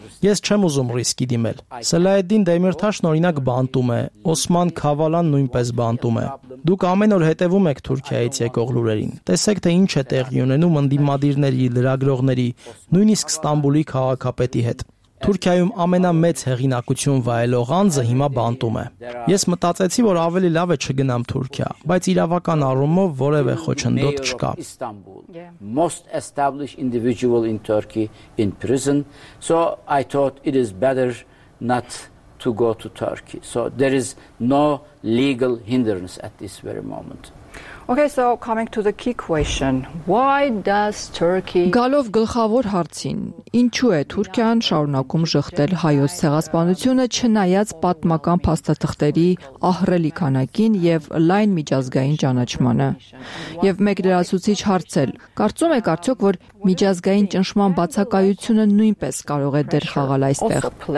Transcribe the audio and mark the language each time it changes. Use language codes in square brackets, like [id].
[hy] Ես չեմ ուզում ռիսկի դիմել։ Սելայեդդին Դեմիրթաշն օրինակ բանտում է, Օսման Քավալան նույնպես բանտում է։ Դուք ամեն օր հետևում եք Թուրքիայից եկող լուրերին։ Տեսեք, թե ինչ է տեղի ունենում ընդդիմադիրների, լրագրողների, նույնիսկ Ստամբուլի քաղաքապետի հետ։ Թուրքիայում ամենամեծ հեղինակություն վայելող անձը հիմա բանտում է։ Ես մտածեցի, որ ավելի լավ է չգնամ Թուրքիա, բայց իրավական առումով որևէ խոչընդոտ չկա։ [en] Most established individual in Turkey in prison. So I thought it is better not to go to Turkey. So there is no legal hindrance at this very moment. Okay, so coming to the key question. Why does Turkey [hy] Գալով գլխավոր հարցին. Ինչու է Թուրքիան շարունակում ժխտել հայոց ցեղասպանությունը չնայած պատմական փաստաթղթերի ահռելի քանակին եւ լայն միջազգային ճանաչմանը։ Եվ մեկ դրացուցիչ հարց էլ. Կարծում եք արդյոք, որ միջազգային ճնշման բացակայությունը նույնպես կարող է դեր խաղալ այստեղ։